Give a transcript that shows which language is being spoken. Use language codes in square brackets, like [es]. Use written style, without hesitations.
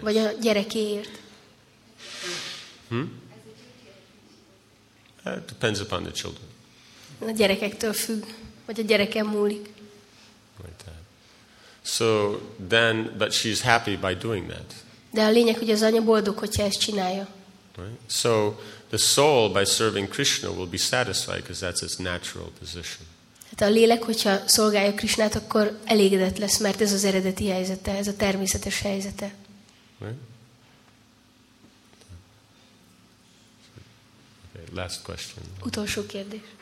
[hu] Vagy a gyerekéért? [en] It depends upon the children. [hu] A gyerekektől függ, vagy a gyereken múlik. [en] Like that. So then, but she's happy by doing that. [hu] De a lényeg, hogy az anya boldog, hogyha ezt csinálja. [en] Right? So the soul by serving Krishna will be satisfied because that's its natural position. [hu] Hát a lélek, hogyha szolgálja Krishnát, akkor elégedett lesz, mert ez az eredeti helyzete, ez a természetes helyzete. [en] Okay, last question. [hu] Utolsó kérdés.